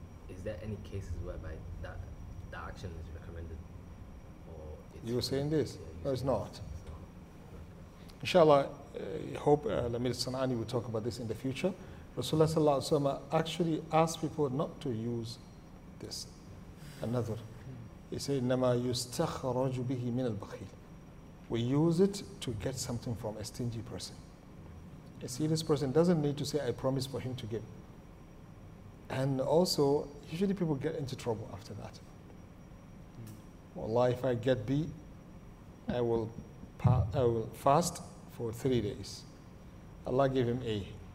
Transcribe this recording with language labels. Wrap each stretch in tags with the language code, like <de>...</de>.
<en>Is there any cases whereby that action is recommended? You were saying this? No, it's not. Inshallah, I hope Lamir Sanani will talk about this in the future. Rasulullah sallallahu alayhi wa sallam actually asked people not to use this. Another. He said,</en> <ar>نَمَا يُسْتَخْرَجُ بِهِ مِنَ الْبَخِيلِ.</ar> <en>We use it to get something from a stingy person. A serious person doesn't need to say, I promise for him to give. And also, usually people get into trouble after that. Wallah, if I get B, I will fast for 3 days. Allah gave him A.</en>